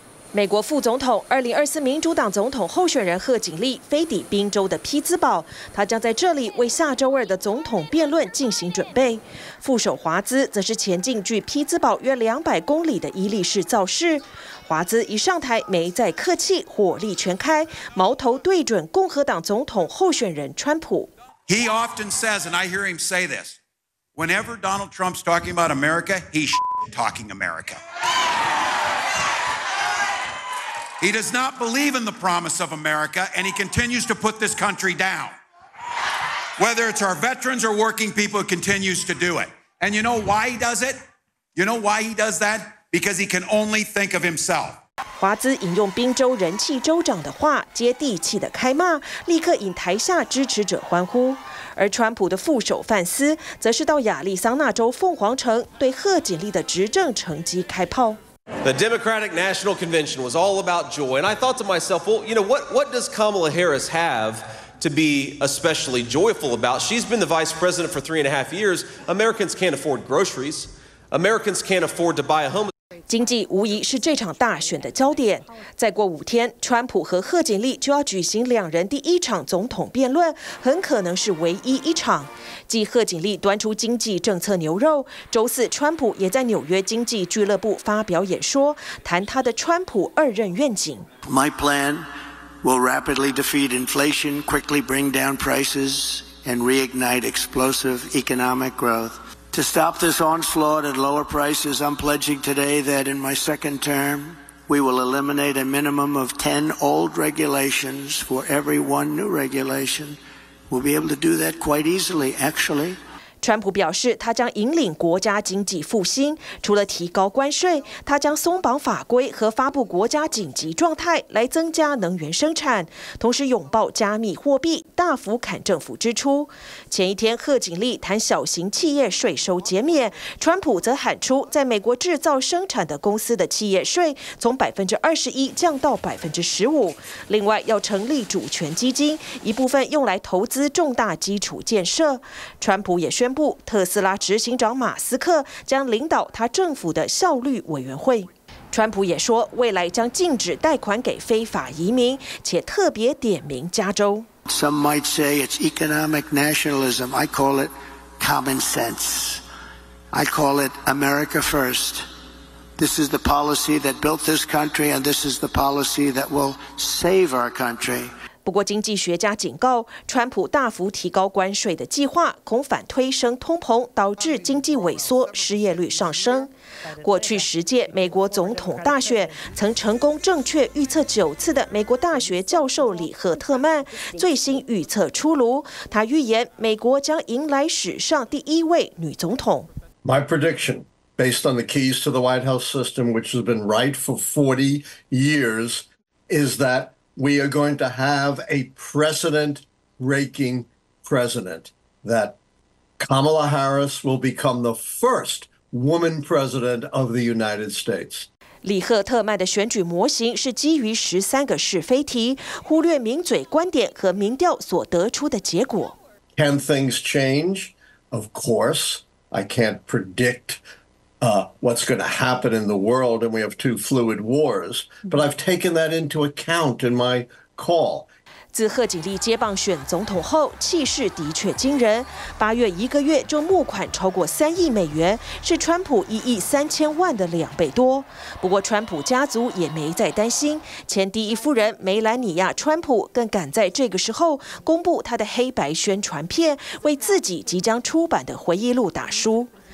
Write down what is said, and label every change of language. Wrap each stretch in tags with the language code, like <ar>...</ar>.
<zh>美国副总统、2024民主党总统候选人贺锦丽飞抵宾州的匹兹堡，他将在这里为下周二的总统辩论进行准备。副手华兹则是前进距匹兹堡约200公里的伊利市造势。华兹一上台，没再客气，火力全开，矛头对准共和党总统候选人川普。</zh> <en>He often says, and I hear him say this, whenever Donald Trump's talking about America, he's talking America. He does not believe in the promise of America, and he continues to put this country down. Whether it's our veterans or working people, he continues to do it. And you know why he does it? You know why he does that? Because he can only think of himself.</en> <zh>华兹引用宾州人气州长的话，接地气的开骂，立刻引台下支持者欢呼。而川普的副手范斯则是到亚利桑那州凤凰城对贺锦丽的执政成绩开炮。</zh> <en>The Democratic National Convention was all about joy, and I thought to myself, well, you know, what does Kamala Harris have to be especially joyful about? She's been the vice president for 3.5 years. Americans can't afford groceries. Americans can't afford to buy a home.</en> <zh>经济无疑是这场大选的焦点。再过5天，川普和贺锦丽就要举行两人第一场总统辩论，很可能是唯一一场。继贺锦丽端出经济政策牛肉，周四川普也在纽约经济俱乐部发表演说，谈他的川普二任愿景。</zh> <en>My plan will rapidly defeat inflation, quickly bring down prices, and reignite explosive economic growth. To stop this onslaught at lower prices, I'm pledging today that in my second term, we will eliminate a minimum of 10 old regulations for every one new regulation. We'll be able to do that quite easily, actually.</en> <zh>川普表示，他将引领国家经济复兴。除了提高关税，他将松绑法规和发布国家紧急状态来增加能源生产，同时拥抱加密货币，大幅砍政府支出。前一天，贺锦丽谈小型企业税收减免，川普则喊出在美国制造生产的公司的企业税从21%降到15%。另外，要成立主权基金，一部分用来投资重大基础建设。川普也宣布，特斯拉执行长马斯克将领导他政府的效率委员会。川普也说，未来将禁止贷款给非法移民，且特别点名加州。</zh> <en>Some might say it's economic nationalism. I call it common sense. I call it America first. This is the policy that built this country, and this is the policy that will save our country.</en> <zh>不过，经济学家警告，川普大幅提高关税的计划恐反推升通膨，导致经济萎缩、失业率上升。过去十届美国总统大选，曾成功正确预测九次的美国大学教授李赫特曼，最新预测出炉，他预言美国将迎来史上第一位女总统。</zh> <en>My prediction, based on the keys to the White House system, which has been right for 40 years, is that. We are going to have a precedent-breaking president, that Kamala Harris will become the first woman president of the United States.</en> <zh>李赫特曼的选举模型是基于13个是非题，忽略名嘴观点和民调所得出的结果。</zh> <en>Can things change? Of course. I can't predict what's going to happen in the world, and we have two fluid wars, but I've taken that into account in my call.</en> <zh>自贺锦丽接棒选总统后，气势的确惊人。八月一个月就募款超过$3亿，是川普1亿3千万的两倍多。不过，川普家族也没再担心，前第一夫人梅兰妮亚·川普更赶在这个时候公布她的黑白宣传片，为自己即将出版的回忆录打书。</zh>